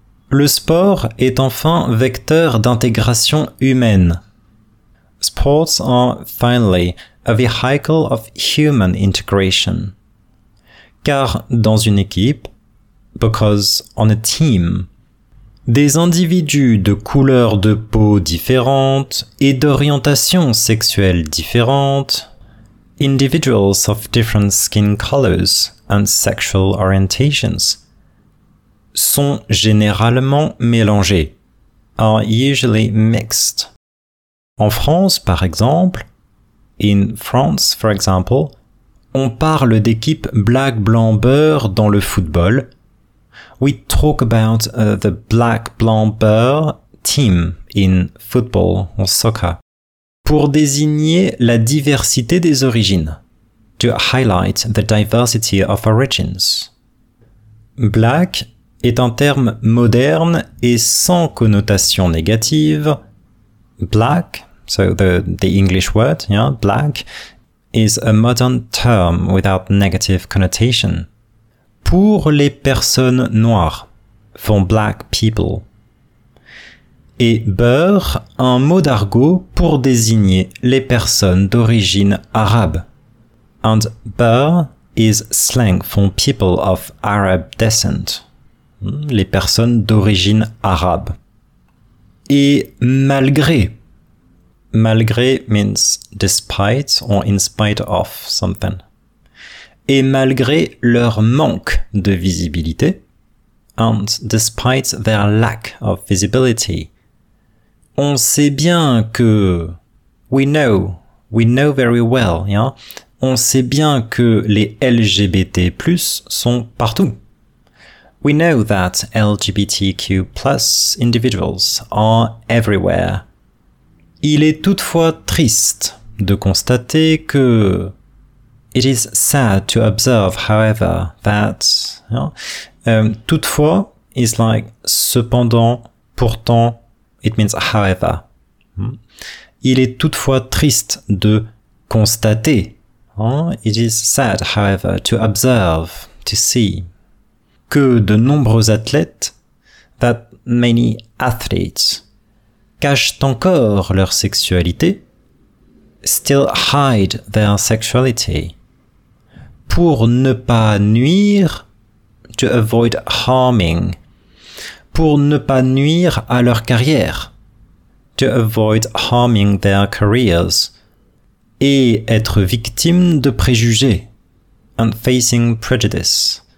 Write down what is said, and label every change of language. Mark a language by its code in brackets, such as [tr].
[fr] Le sport est enfin vecteur d'intégration humaine. [en] Sports are finally a vehicle of human integration. [fr] Car dans une équipe, [en] because on a team, [fr] des individus de couleurs de peau différentes et d'orientations sexuelles différentes, [en] individuals of different skin colors and sexual orientations [fr] sont généralement mélangés, [en] are usually mixed. [fr] En France, par exemple, [en] in France, for example, [fr] on parle d'équipe black, blanc, beurre dans le football. [en] We talk about the black, blanc, beurre team in football or soccer. [fr] Pour désigner la diversité des origines. [en] To highlight the diversity of origins. [fr] Black est un terme moderne et sans connotation négative. [en] Black, so the English word, yeah, black, is a modern term without negative connotation. [fr] Pour les personnes noires, [en] for black people. [fr] Et beurre, un mot d'argot pour désigner les personnes d'origine arabe. [en] And beurre is slang for people of Arab descent. [fr] Les personnes d'origine arabe. Et malgré. [en] Malgré means despite or in spite of something. [fr] Et malgré leur manque de visibilité. [en] And despite their lack of visibility. [fr] On sait bien que, [en] we know very well, yeah? [fr] On sait bien que les LGBT+ sont partout. [en] We know that LGBTQ plus individuals are everywhere. [fr] Il est toutefois triste de constater que... [en] It is sad to observe, however, that... toutefois is like cependant, pourtant, it means however. [fr] Il est toutefois triste de constater. [en] It is sad, however, to observe, to see. [fr] Que de nombreux athlètes, [en] that many athletes, [fr] cachent encore leur sexualité, [en] still hide their sexuality, [fr] pour ne pas nuire, [en] to avoid harming, [fr] pour ne pas nuire à leur carrière, [en] to avoid harming their careers, [fr] et être victime de préjugés, [en] and facing prejudice.